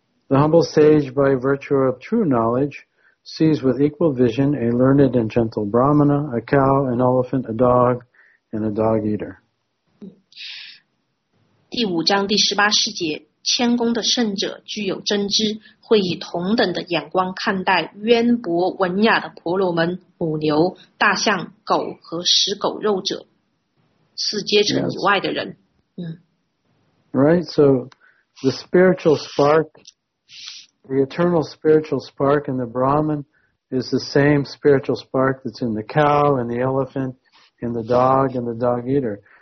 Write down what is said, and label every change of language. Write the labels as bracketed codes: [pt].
[en] The humble sage, by virtue of true knowledge, sees with equal vision a learned and gentle brahmana, a cow, an elephant, a dog, and a dog eater. [zh] 第五章第十八诗节。谦恭的圣者具有真知，会以同等的眼光看待渊博文雅的婆罗门、母牛、大象、狗和食狗肉者，四阶层以外的人。 [en] Right, so the spiritual spark, the eternal spiritual spark in the Brahman is the same spiritual spark that's in the cow and the elephant and the dog and the dog eater.